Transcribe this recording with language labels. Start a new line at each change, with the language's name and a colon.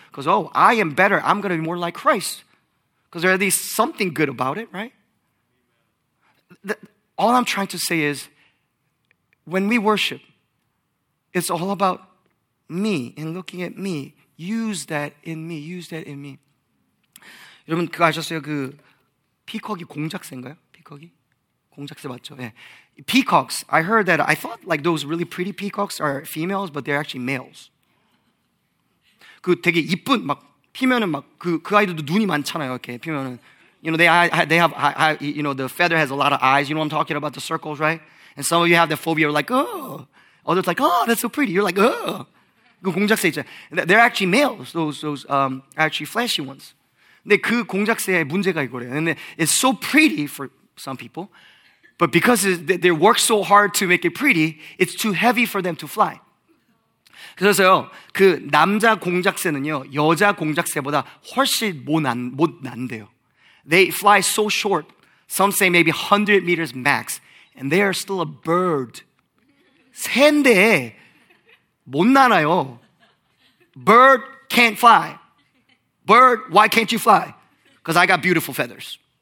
English: Because, oh, I am better. I'm going to be more like Christ. Because there's at least something good about it, right? All I'm trying to say is, when we worship, it's all about me and looking at me. Use that in me.
Korean: 여러분, 그거 아셨어요? 그 피콕이 공작새인가요? 피콕이? 공작새 맞죠? 예.
English: Peacocks, I heard that, I thought like those really pretty peacocks are females, but they're actually males.
Korean: 그 되게 이쁜, 막, 피면은 막, 그 아이들도 눈이 많잖아요, 이렇게, 피면은.
English: You know, they have, the feather has a lot of eyes, you know what I'm talking about, the circles, right? And some of you have the phobia, you're like, oh. Others like, oh, that's so pretty. You're like, oh.
Korean: 그 공작새 있잖아.
English: They're actually males, those actually flashy ones.
Korean: 근데 그 공작새의 문제가 이거래요.
English: And it's so pretty for some people. But because they work so hard to make it pretty, it's too heavy for them to fly.
Korean: 그래서요, 그 남자 공작새는요, 여자 공작새보다 훨씬 못 난대요.
English: They fly so short, some say maybe 100 meters max, and they are still a bird.
Korean: 새인데 못 나나요.
English: Bird can't fly. Bird, why can't you fly? Because I got beautiful feathers.